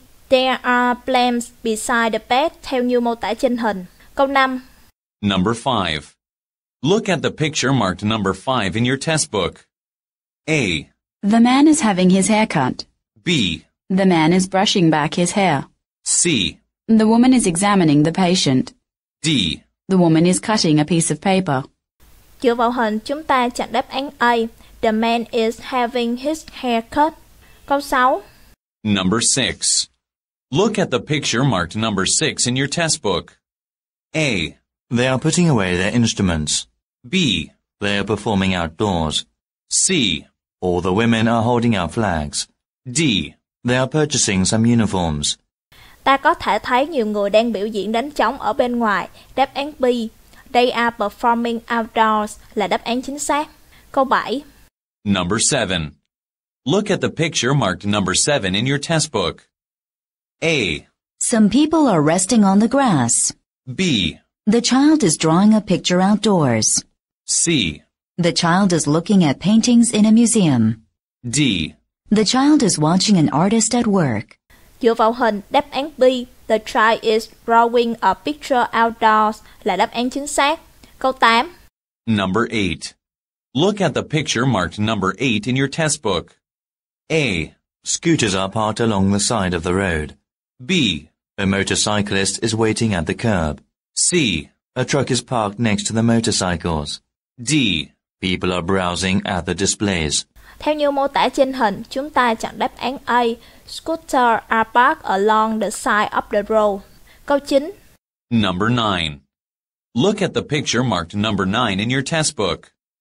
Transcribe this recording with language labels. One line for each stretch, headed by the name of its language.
English: There are lamps beside the bed
Vietnamese: theo như mô tả trên hình. Câu 5.
English: Number 5. Look at the picture marked number 5 in your test book. A. The man is having his hair cut. B. The man is brushing back his hair. C. The woman is examining the patient. D. The woman is cutting a piece of paper.
Vietnamese: Dựa vào hình, chúng ta chọn đáp án A.
English: The man is having his hair cut.
Vietnamese: Câu 6.
English: Number 6. Look at the picture marked number 6 in your test book. A. They are putting away their instruments. B. They are performing outdoors. C. All the women are holding out flags. D. They are purchasing some uniforms.
Vietnamese: Ta có thể thấy nhiều người đang biểu diễn đánh trống ở bên ngoài. Đáp án B.
English: They are performing outdoors
Vietnamese: là đáp án chính xác. Câu 7.
English: Number 7. Look at the picture marked number 7 in your test book. A. Some people are resting on the grass. B. The child is drawing a picture outdoors. C. The child is looking at paintings in a museum. D. The child is watching an artist at work.
Vietnamese: Dựa vào hình, đáp án B.
English: The child is drawing a picture outdoors
Vietnamese: là đáp án chính xác. Câu 8.
English: Number 8. Look at the picture marked number 8 in your test book. A. Scooters are parked along the side of the road. B. A motorcyclist is waiting at the curb. C. A truck is parked next to the motorcycles. D. People are browsing at the displays.
Vietnamese: Theo như mô tả trên hình, chúng ta chọn đáp án A.
English: Scooter are parked along the side of the road.
Vietnamese: Câu 9.
English: Number 9. Look at the picture marked number 9 in your test book.